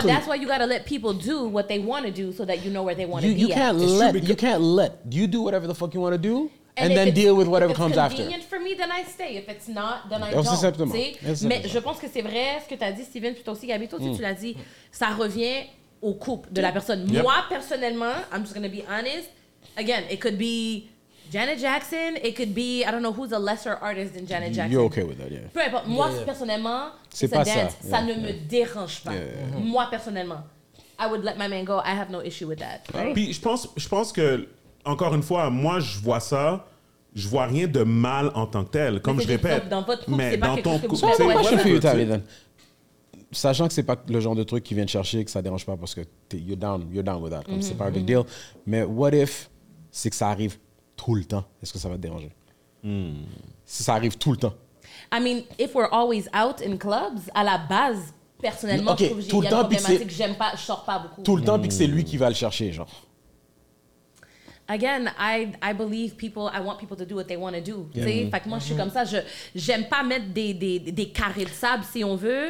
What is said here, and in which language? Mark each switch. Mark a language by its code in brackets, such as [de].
[en] But that's why you gotta let people do what they wanna do so that you know where they wanna be. You can't let. You do whatever the fuck you wanna do. And then deal with whatever comes after. If it's convenient for me, then I stay. If it's not, then I don't. [fr] Exactement. Mais je pense que c'est vrai ce que tu as dit, Steven, puis toi aussi, Gabito, si tu l'as dit, ça revient au couple de la personne. [en] Yep. [fr] Moi, personnellement, [en] I'm just going to be honest. Again, it could be Janet Jackson. It could be, I don't know, who's a lesser artist than Janet Jackson. You're okay with that, yeah. [fr] Peu importe. Moi, personnellement, c'est pas ça. Yeah. Ça ne me dérange pas. Yeah. Moi, personnellement, [en] I would let my man go. I have no issue with that. Right? [fr] Puis je pense que... Encore une fois, moi, je vois ça, je vois rien de mal en tant que tel. Comme mais je répète, dans votre coup, mais c'est dans pas ton coup, ouais, moi, je suis utile, Eden. Sachant que c'est pas le genre de truc qui vient te chercher, que ça dérange pas parce que [en] you're down with that. [fr] Comme c'est pas un big deal. Mais [en] what if [fr] c'est que ça arrive tout le temps? Est-ce que ça va te déranger? Si ça arrive tout le temps. [en] I mean, if we're always out in clubs, [fr] à la base, personnellement, okay, je trouve tout le temps, puis c'est que j'aime pas, je sors pas beaucoup. Tout le temps, puis que c'est lui qui va le chercher, genre. [en] Again, I believe people, I want people to do what they want to do. [fr] Fait que moi, je suis comme ça. J'aime pas mettre des carrés de sable, si on veut.